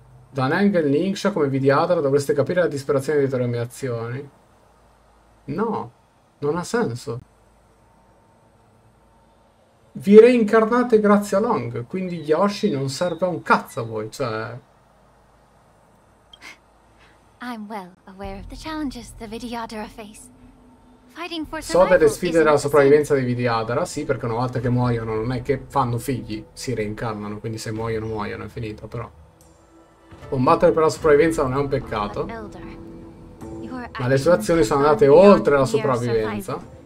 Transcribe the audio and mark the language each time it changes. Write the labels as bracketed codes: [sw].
[it] Da Nang e Lingxia come Vidyadara dovreste capire la disperazione di tutte le mie azioni. No, non ha senso. Vi reincarnate grazie a Long, quindi Yoshi non serve a un cazzo a voi, cioè... [en] I'm well aware of the challenges the Vidyadara face. Fighting for [it] so delle sfide della sopravvivenza di Vidyadara, sì, perché una volta che muoiono non è che fanno figli, si reincarnano, quindi se muoiono muoiono, è finito, però... Combattere per la sopravvivenza non è un peccato. Ma le sue azioni sono andate oltre la sopravvivenza.